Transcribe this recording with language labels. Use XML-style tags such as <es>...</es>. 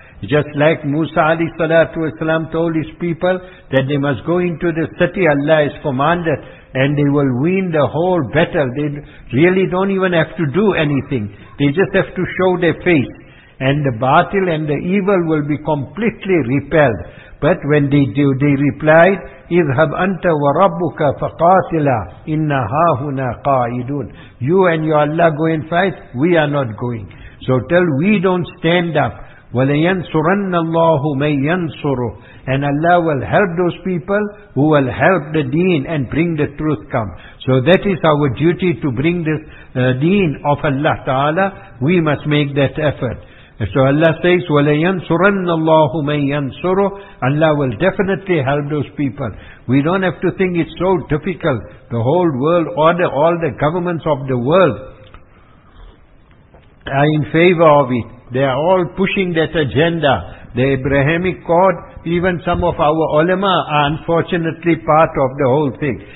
<en>Just like Musa alayhi salatu wasalam told his people that they must go into the city Allah has commanded and they will win the whole battle. They really don't even have to do anything. They just have to show their face. And the batil and the evil will be completely repelled. But when they do, they replied,</en> <ar>اِذْهَبْ أَنْتَ وَرَبُّكَ فَقَاتِلَا إِنَّ هَاهُنَا قَاعِدُونَ.</ar> <en>You and your Allah go and fight, we are not going. So till we don't stand up,</en> <ar>وَلَيَنْصُرَنَّ اللَّهُ مَنْ يَنْصُرُهُ.</ar> <en>And Allah will help those people who will help the deen and bring the truth come. So that is our duty, to bring this deen of Allah Ta'ala. We must make that effort. So Allah says,</en> <ar>وَلَيَنْصُرَنَّ اللَّهُ مَنْ يَنْصُرُهُ.</ar> <en>Allah will definitely help those people. We don't have to think it's so difficult. The whole world order, all the governments of the world are in favor of it. They are all pushing that agenda. The Abrahamic Court, even some of our ulama are unfortunately part of the whole thing.</en>